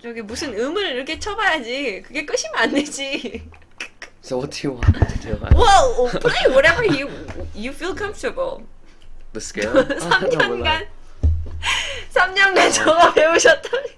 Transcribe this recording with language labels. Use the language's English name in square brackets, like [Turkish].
[Korean] 저기 무슨 음을 이렇게 쳐봐야지. 그게 끝이면 안 되지. [English] So what do you want to do? Well, play whatever you feel comfortable. The scale? [Korean] 3년간 3년간 저가 배우셨다.